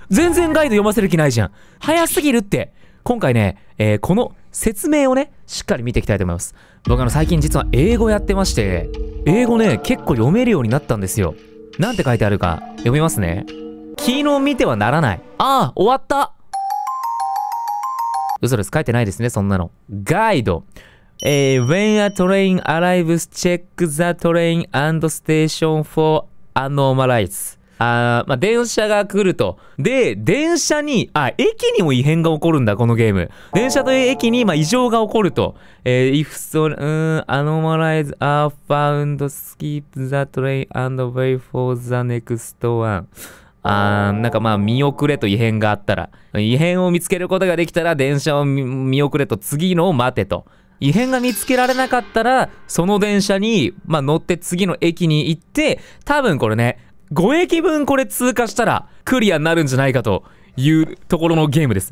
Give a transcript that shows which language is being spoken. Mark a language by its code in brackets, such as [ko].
[ja] 全然ガイド読ませる気ないじゃん、早すぎるって。今回ね、この説明をね、しっかり見ていきたいと思います。僕あの最近実は英語やってまして、英語ね、結構読めるようになったんですよ。なんて書いてあるか、読みますね。昨日見てはならない。ああ、終わった。嘘です。書いてないですね、そんなの。ガイド。 [en] When a train arrives, check the train and station for anomalies. [ja] まあ、電車が来ると。で、電車に、あ、駅にも異変が起こるんだ、このゲーム。電車という駅に、まあ、異常が起こると。 [en] if so, anomalies are found, skip the train and wait for the next one. [ja] なんかまあ、見遅れと異変があったら。異変を見つけることができたら、電車を 見遅れと、次のを待てと。異変が見つけられなかったら、その電車に、まあ、乗って次の駅に行って、多分これね、5駅分これ通過したらクリアになるんじゃないかというところのゲームです。